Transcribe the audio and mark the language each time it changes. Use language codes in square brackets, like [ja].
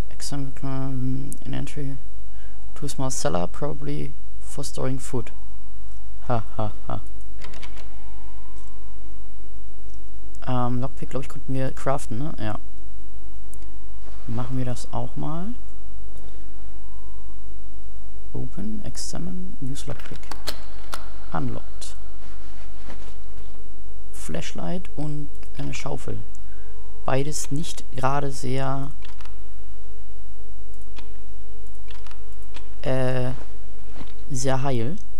[en] In entry to small cellar, probably for storing food. Ha ha ha. [de] Lockpick, glaube ich, konnten wir craften, ne? Ja. Machen wir das auch mal. [en] Open, examine, use lockpick. Unlocked. [de] Flashlight und eine Schaufel. Beides nicht gerade sehr sehr heil.